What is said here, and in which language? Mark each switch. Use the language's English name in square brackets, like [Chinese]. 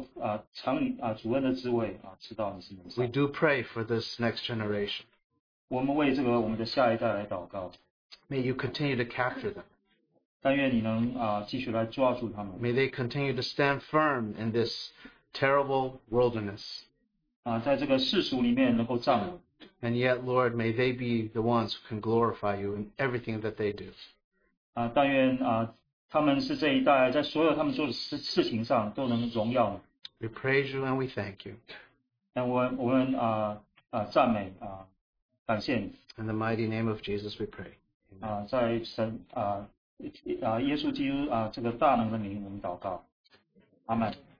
[Chinese] 不是只有在特会的时候有这个很高的灵，但是我们在每天的生活里面，我们能够经历主恩的滋味，知道你是。 [English] We do pray for this next generation. [Chinese] 我们为这个我们的下一代来祷告。 [English] May you continue to capture them. [Chinese] 但愿你能继续来抓住他们。 [English] May they continue to stand firm in this terrible wilderness. [Chinese] 在这个世俗里面能够站稳。 [English] And yet, Lord, may they be the ones who can glorify you in everything that they do. [Chinese] 但愿他们是这一代在所有他们做的事情上都能荣耀。 [English] We praise you and we thank you. [Chinese] 我们赞美，感谢你。 [English] In the mighty name of Jesus, we pray. [Chinese] 在神耶稣基督这个大能的名，我们祷告，阿门。